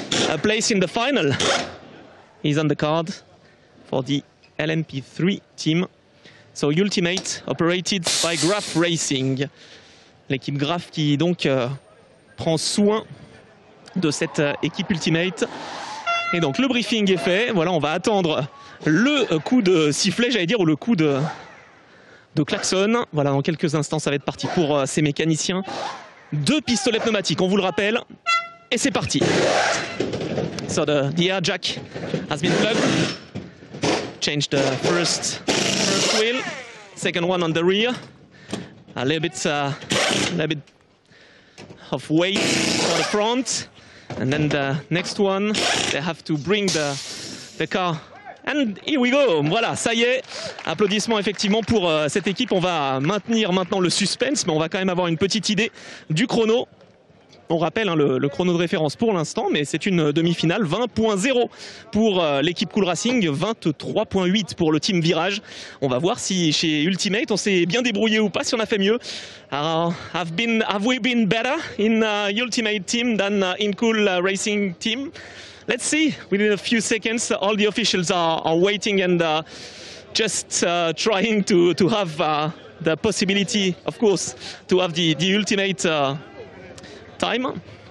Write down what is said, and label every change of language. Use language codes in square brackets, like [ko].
[en] A place in the final is on the card for the LMP3 team. So Ultimate, operated by Graf Racing. [fr] L'équipe Graf qui donc prend soin de cette équipe Ultimate. Et donc le briefing est fait. Voilà, on va attendre le coup de sifflet, j'allais dire, ou le coup de klaxon. Voilà, dans quelques instants, ça va être parti pour ces mécaniciens. Deux pistolets pneumatiques, on vous le rappelle. Et c'est parti. [en] So the air jack has been plugged. Change the first wheel. Second one on the rear. A little bit of weight for the front. And then the next one, they have to bring the car. And here we go, [fr] voilà, ça y est, applaudissements effectivement pour cette équipe. On va maintenir maintenant le suspense, mais on va quand même avoir une petite idée du chrono. On rappelle hein, le chrono de référence pour l'instant, mais c'est une demi-finale, 20.0 pour l'équipe Cool Racing, 23.8 pour le team Virage. On va voir si chez Ultimate on s'est bien débrouillé ou pas, si on a fait mieux. [en] Have we been better in Ultimate team than in Cool Racing team? Let's see, within a few seconds, all the officials are waiting and just trying to have the possibility, of course, to have the ultimate time.